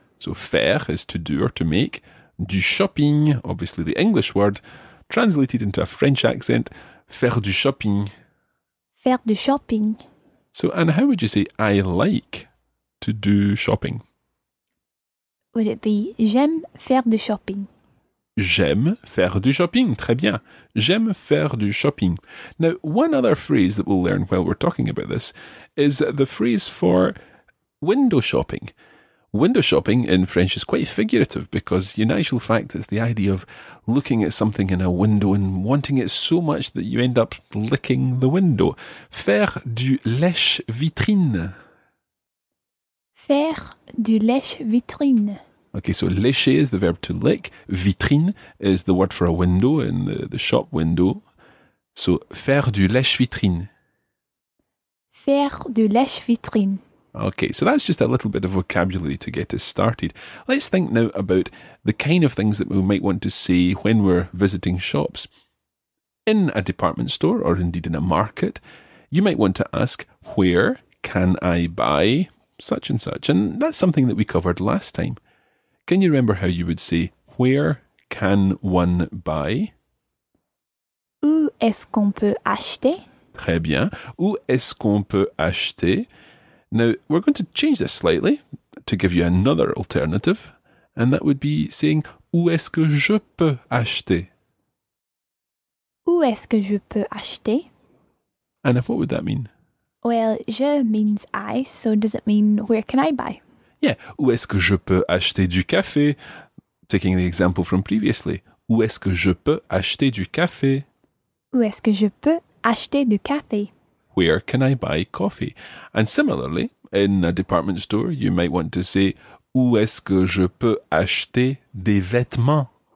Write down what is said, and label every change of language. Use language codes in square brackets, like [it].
[en] So faire is to do or to make. Du shopping, obviously the English word, translated into a French accent, [fr] faire du shopping. Faire du shopping. [en] So, and how would you say I like to do shopping? Would it be [fr] j'aime faire du shopping? J'aime faire du shopping. Très bien. J'aime faire du shopping. [en] Now, one other phrase that we'll learn while we're talking about this is the phrase for window shopping. Window shopping in French is quite figurative because, in actual fact, it's the idea of looking at something in a window and wanting it so much that you end up licking the window. [fr] Faire du lèche-vitrine. Faire du lèche-vitrine. [en] Okay, so lécher is the verb to lick. Vitrine is the word for a window in the shop window. [fr] So, faire du lèche-vitrine. Faire du lèche-vitrine. [en] Okay, so that's just a little bit of vocabulary to get us started. Let's think now about the kind of things that we might want to say when we're visiting shops. In a department store, or indeed in a market, you might want to ask, where can I buy such and such? And that's something that we covered last time. Can you remember how you would say, where can one buy? [fr] Où est-ce qu'on peut acheter? Très bien. Où est-ce qu'on peut acheter? [en] Now, we're going to change this slightly to give you another alternative, and that would be saying, [fr] où est-ce que je peux acheter? Où est-ce que je peux acheter? [en] And what would that mean? Well, je means I, so does it mean, where can I buy? [fr] Yeah, où est-ce que je peux acheter du café? [en] Taking the example from previously, [fr] où est-ce que je peux acheter du café? Où est-ce que je peux acheter du café? [en] Where can I buy coffee? And similarly, in a department store, you might want to say, [fr] où est-ce que je peux acheter des vêtements?